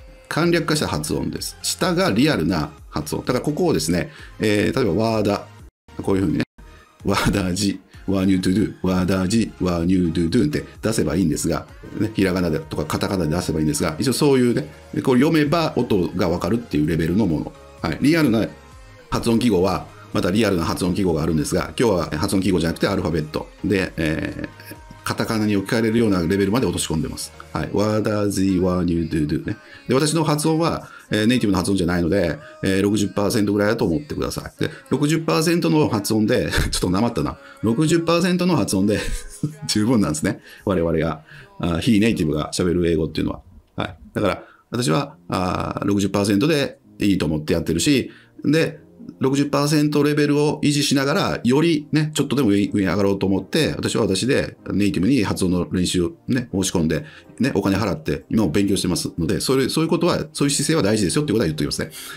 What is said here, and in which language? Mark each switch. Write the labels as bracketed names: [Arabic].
[Japanese] 簡略化した発音です。下がリアルな発音。だからここをですね、例えばワーダ、こういうふうにね、ワーダージ、ワーニュートゥドゥ、ワーダージ、ワーニュートゥドゥって出せばいいんですが、ね、ひらがなでとかカタカナで出せばいいんですが、一応そういうね、これ読めば音がわかるっていうレベルのもの。はい、リアルな発音記号は、またリアルな発音記号があるんですが、今日は発音記号じゃなくてアルファベットで、カタカナに置き換えれるようなレベルまで落とし込んでます。はい。 [English] What does he want you to do? ね。 [Japanese] で、私の発音は、ネイティブの発音じゃないので、60% ぐらいだと思ってください。で、60% の発音で、ちょっとなまったな。60% の発音で十分なんですね。我々が、非ネイティブが喋る英語っていうのは。はい。だから、私は、60% でいいと思ってやってるし、で、60% レベルを維持しながら、よりね、ちょっとでも上に上がろうと思って、私は私でネイティブに発音の練習ね、申し込んで、ね、お金払って、今も勉強してますので、そういうことは、そういう姿勢は大事ですよってことは言っておきますね。